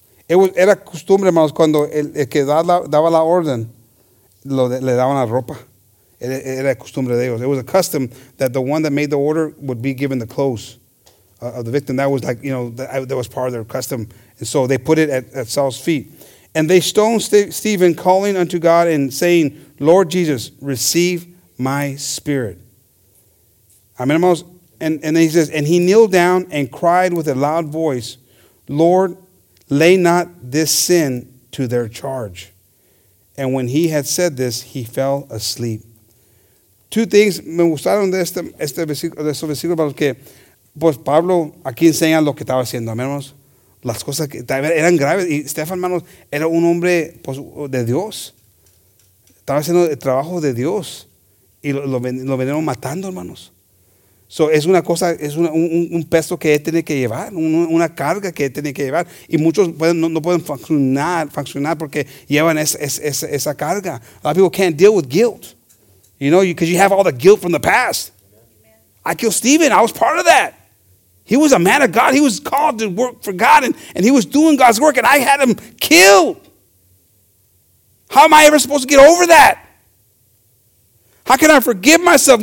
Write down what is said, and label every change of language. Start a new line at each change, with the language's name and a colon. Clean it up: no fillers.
Spanish: Era costumbre, hermanos, cuando el que daba la orden, le daban la ropa. Era costumbre de ellos.
English: It was a custom that the one that made the order would be given the clothes of the victim. That was like, you know, that was part of their custom. And so they put it at Saul's feet. And they stoned Stephen, calling unto God and saying, Lord Jesus, receive my spirit.
Spanish: Amen, hermanos.
English: And then he says, and he kneeled down and cried with a loud voice, Lord, lay not this sin to their charge. And when he had said this, he fell asleep. Two things
Spanish: me gustaron de este versículo, hermanos, que pues Pablo aquí enseña lo que estaba haciendo, amén, hermanos. Las cosas que eran graves. Y Stefan, hermanos, era un hombre pues, de Dios. Estaba haciendo el trabajo de Dios. Y lo venían matando, hermanos. So, es una cosa, es un peso que él tiene que llevar, una carga que él tiene que llevar. Y muchos no pueden funcionar porque llevan esa carga.
English: A lot of people can't deal with guilt. You know, because you have all the guilt from the past. Amen. I killed Stephen. I was part of that. He was a man of God. He was called to work for God, and he was doing God's work, and I had him killed. How am I ever supposed to get over that? How can I forgive myself?